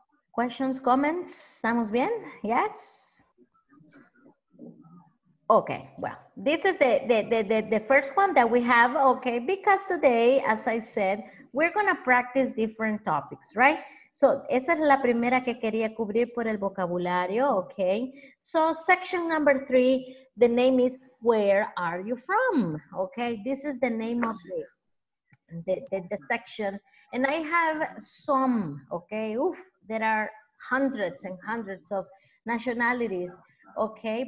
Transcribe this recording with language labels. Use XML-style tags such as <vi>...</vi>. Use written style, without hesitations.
<en>Questions, comments?</en> <es>¿Estamos bien?</es> <en>Yes? Okay, well, this is the first one that we have, okay? Because today, as I said, we're gonna practice different topics, right?</en> <es>So, esa es la primera que quería cubrir por el vocabulario, okay?</es> <en>So, section number three, the name is Where Are You From? Okay, this is the name of the section. And I have some, okay? Oof, there are hundreds and hundreds of nationalities, okay?</en>